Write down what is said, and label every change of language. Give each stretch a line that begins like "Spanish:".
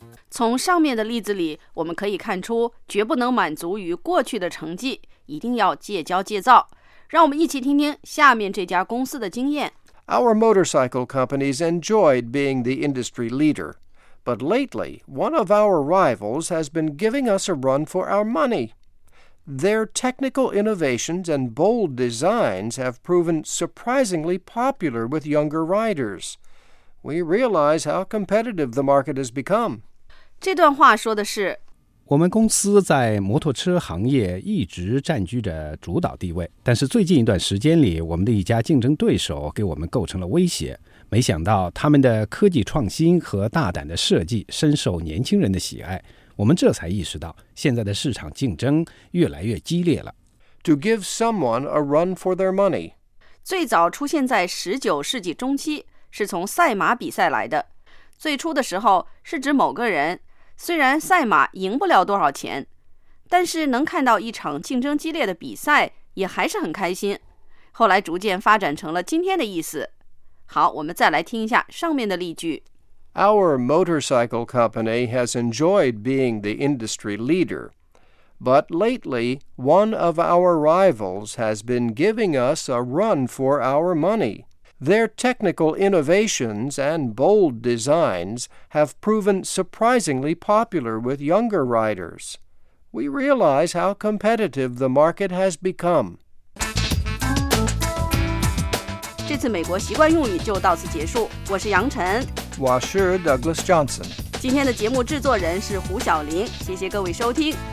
Chinese: 从上面的例子里，我们可以看出，绝不能满足于过去的成绩，一定要戒骄戒躁。让我们一起听听下面这家公司的经验。
English: Our motorcycle companies enjoyed being the industry leader, but lately, one of our rivals has been giving us a run for our money. Their technical innovations and bold designs have proven surprisingly popular with younger riders. We realize how competitive the market has become.
Chinese: 这段话说的是，我们公司在摩托车行业一直占据着主导地位，但是最近一段时间里，我们的一家竞争对手给我们构成了威胁。没想到他们的科技创新和大胆的设计深受年轻人的喜爱，我们这才意识到现在的市场竞争越来越激烈了。
English: To give someone a run for their money，
Chinese: 最早出现在19世纪中期，是从赛马比赛来的。最初的时候是指某个人，虽然赛马赢不了多少钱，但是能看到一场竞争激烈的比赛也还是很开心。后来逐渐发展成了今天的意思。好，我们再来听一下上面的例句。
English: Our motorcycle company has enjoyed being the industry leader, but lately one of our rivals has been giving us a run for our money. Their technical innovations and bold designs have proven surprisingly popular with younger riders. We realize how competitive the market has become.
Chinese: 这次美国习惯用语就到此结束。我是杨晨，我是 Douglas Johnson。今天的节目制作人是胡晓玲，谢谢各位收听。